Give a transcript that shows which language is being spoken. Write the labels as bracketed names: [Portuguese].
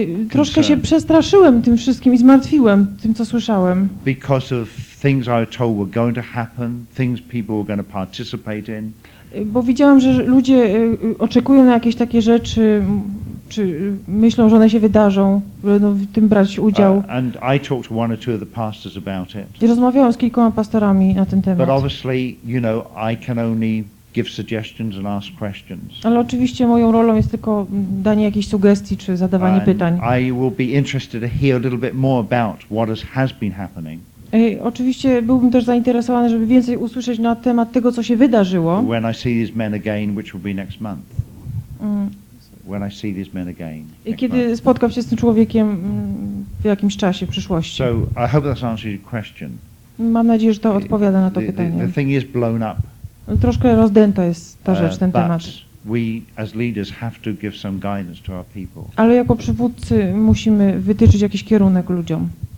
[Polish] Troszkę się przestraszyłem tym wszystkim i zmartwiłem tym, co słyszałem. [English] Because of things I was told were going to happen, things people were going to participate in. [Polish] Bo widziałam, że ludzie oczekują na jakieś takie rzeczy, czy myślą, że one się wydarzą, będą w tym brać udział. [English] And I talked to one or two of the pastors about it. [Polish] I rozmawiałam z kilkoma pastorami na ten temat. [English] But obviously, you know, I can only give suggestions and ask questions. [Polish] Ale oczywiście moją rolą jest tylko danie jakiejś sugestii czy zadawanie [English] and [Polish] pytań. [English] I will be interested to hear a little bit more about what has been happening. [Polish] Oczywiście byłbym też zainteresowany, żeby więcej usłyszeć na temat tego, co się wydarzyło. [English] When I see these men again, which will be next month. When I see these men again. [Polish] I kiedy spotkam się z tym człowiekiem w jakimś czasie, w przyszłości. [English] So I hope that's answered your question. [Polish] Mam nadzieję, że to odpowiada na to pytanie. [English] The thing is blown up. [Polish] Troszkę rozdęta jest ta rzecz, ten temat. [English] We as leaders have to give some guidance to our people. [Polish] Ale jako przywódcy musimy wytyczyć jakiś kierunek ludziom.